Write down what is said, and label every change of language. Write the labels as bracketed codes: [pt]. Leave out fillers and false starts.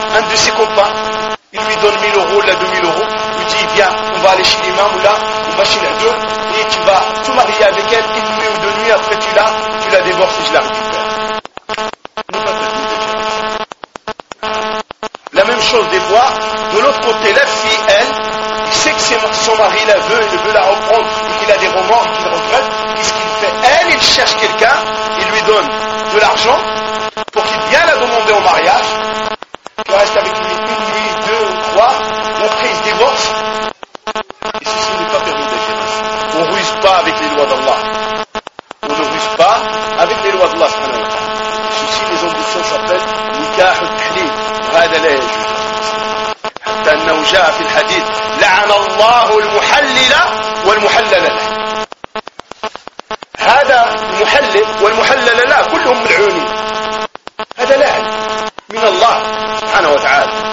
[fr] de ses copains, il lui donne 1000 euros, là 2000 euros. Il dit, viens, on va aller chez l'imam, ou là, on va chez la deux, et tu vas tout marier avec elle, une nuit ou deux nuits, après tu la divorces et je la récupère. La même chose des voix, de l'autre côté, la fille, elle, il sait que c'est son mari, la veut, il veut la reprendre, et qu'il a des remords, et qu'il regrette. Qu'est-ce qu'il fait? Elle, il cherche quelqu'un, il lui donne de l'argent, pour qu'il vienne la demander en mariage, qu'il reste avec lui une nuit, deux ou trois, après il se divorce. Et ceci n'est pas permis d'agir ainsi. On ne ruse pas avec les lois d'Allah. On ne ruse pas avec les lois d'Allah. Ceci, les hommes de sang s'appellent Nikah al-Khli. [ar] حتى أنه جاء في الحديث لعن الله المحلل والمحلل له. هذا المحلل والمحلل لا كلهم ملعونين. هذا لعن من الله سبحانه وتعالى.